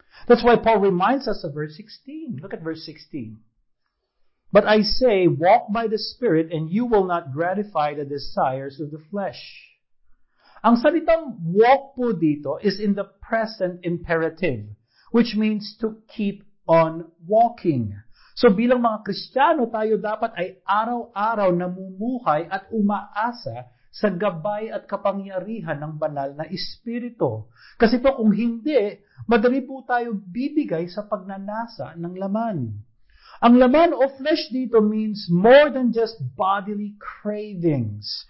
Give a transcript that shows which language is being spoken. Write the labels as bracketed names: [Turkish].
[English] That's why Paul reminds us of verse 16. Look at verse 16. But I say, walk by the Spirit and you will not gratify the desires of the flesh. Ang salitang walk po dito is in the present imperative, which means to keep on walking. [Filipino] So bilang mga Kristiyano, tayo dapat ay araw-araw namumuhay at umaasa sa gabay at kapangyarihan ng banal na Espiritu. Kasi po kung hindi, madali po tayo bibigay sa pagnanasa ng laman. [English] Ang laman o flesh dito means more than just bodily cravings.